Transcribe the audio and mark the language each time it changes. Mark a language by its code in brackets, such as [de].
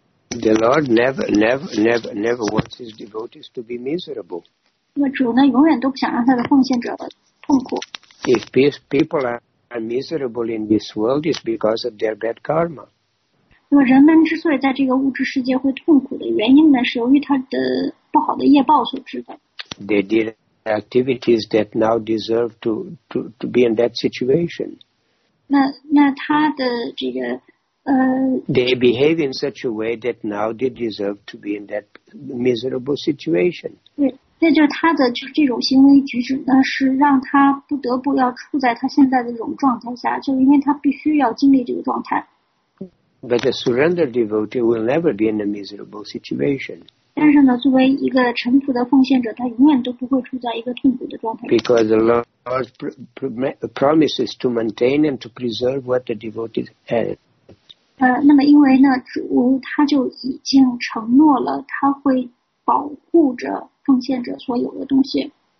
[en] The Lord never wants his devotees to be miserable. [zh] 那主呢永远都不想让他的奉献者痛苦。 [en] If people are miserable in this world, it's because of their bad karma. [zh] 那么人们之所以在这个物质世界会痛苦的原因呢是由于他的不好的业报所致的。 [en] They did activities that now deserve to be in that situation. [zh] 那他的这个 [en] They behave in such a way that now they deserve to be in that miserable situation. [zh] 对，那就是他的就这种行为举止呢，是让他不得不要处在他现在的这种状态下，就因为他必须要经历这个状态。 [en] But a surrendered devotee will never be in a miserable situation. [zh] 但是呢，作为一个臣服的奉献者，他永远都不会处在一个痛苦的状态。 [en] Because the Lord promises to maintain and to preserve what the devotees have. [zh] 那么因为呢，主他就已经承诺了，他会保护着奉献者所有的东西。